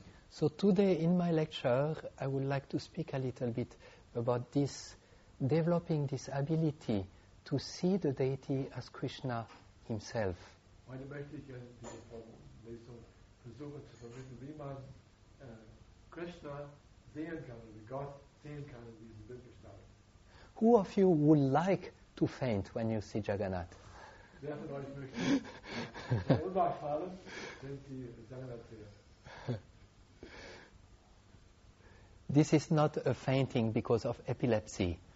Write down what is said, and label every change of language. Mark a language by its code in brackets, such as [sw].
[en] So today in my lecture, I would like to speak a little bit about this, developing this ability to see the deity as Krishna Himself. [de] Heute möchte ich in dieser Lesung versuchen zu vermitteln, wie man Krishna sehen kann, wie Gott sehen kann in diesem Bildgestalt. [en] Who of you would like to faint when you see Jagannath? [de] Wer von euch möchte Ohnmacht fallen, wenn sie Jagannath sehen? [en] This is not a fainting because of epilepsy.